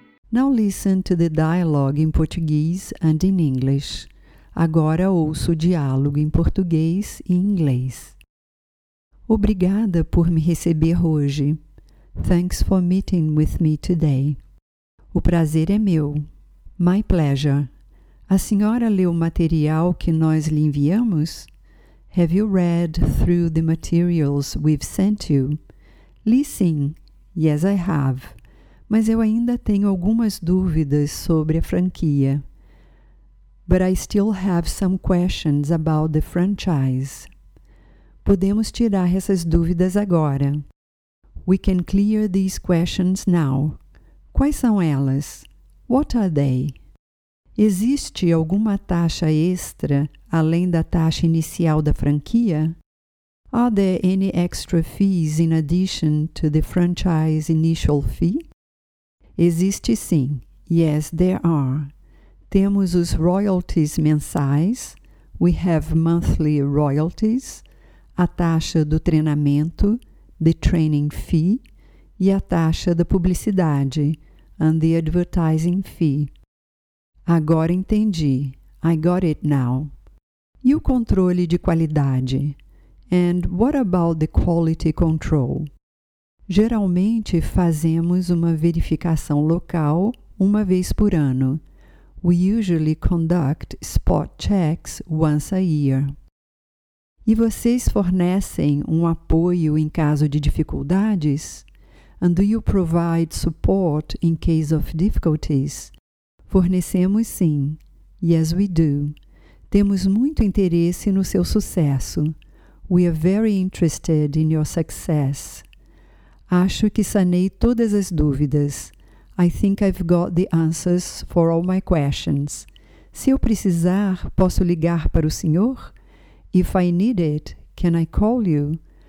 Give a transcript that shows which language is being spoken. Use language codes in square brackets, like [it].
[en] Now listen to the dialogue in Portuguese and in English. [pt] Agora ouço o diálogo em português e inglês. Obrigada por me receber hoje. [en] Thanks for meeting with me today. [pt] O prazer é meu. [en] My pleasure. [pt] A senhora leu o material que nós lhe enviamos? [en] Have you read through the materials we've sent you? [pt] Li sim. [en] Yes, I have. [pt] Mas eu ainda tenho algumas dúvidas sobre a franquia. [en] But I still have some questions about the franchise. [pt] Podemos tirar essas dúvidas agora. [en] We can clear these questions now. [pt] Quais são elas? [en] What are they? [pt] Existe alguma taxa extra além da taxa inicial da franquia? [en] Are there any extra fees in addition to the franchise initial fee? [pt] Existe sim. [en] Yes, there are. [pt] Temos os royalties mensais. [en] We have monthly royalties. [pt] A taxa do treinamento, [en] the training fee. [pt] E a taxa da publicidade, [en] and the advertising fee. [pt] Agora entendi. [en] I got it now. [pt] E o controle de qualidade? [en] And what about the quality control? [pt] Geralmente, fazemos uma verificação local uma vez por ano. [en] We usually conduct spot checks once a year. [pt] E vocês fornecem um apoio em caso de dificuldades? [en] And do you provide support in case of difficulties? [pt] Fornecemos sim. [en] Yes, we do. [pt] Temos muito interesse no seu sucesso. [en] We are very interested in your success. [pt] Acho que sanei todas as dúvidas. [en] I think I've got the answers for all my questions. [pt] Se eu precisar, posso ligar para o senhor? [en] If I need it, can I call you?